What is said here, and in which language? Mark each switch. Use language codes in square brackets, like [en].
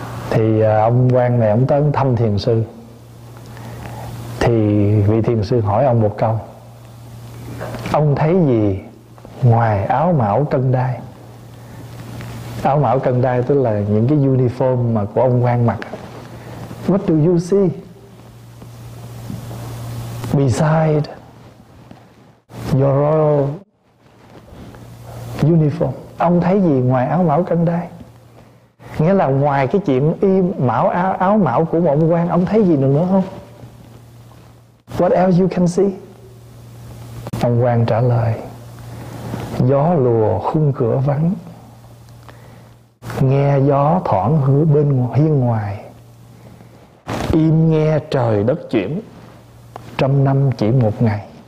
[vi] Thì ông quan này ông tới thăm thiền sư. Thì vị thiền sư hỏi ông một câu: ông thấy gì ngoài áo mão cân đai? Áo mão cân đai tức là những cái uniform mà của ông quan mặc. [en] What do you see beside your royal uniform? [vi] Ông thấy gì ngoài áo mão cân đai? Nghĩa là ngoài cái chuyện áo mão của một ông quan, ông thấy gì nữa không? [en] What else you can see? [vi] Ông quan trả lời: gió lùa khung cửa vắng, nghe gió thoảng hứa bên hiên ngoài, im nghe trời đất chuyển, trăm năm chỉ một ngày.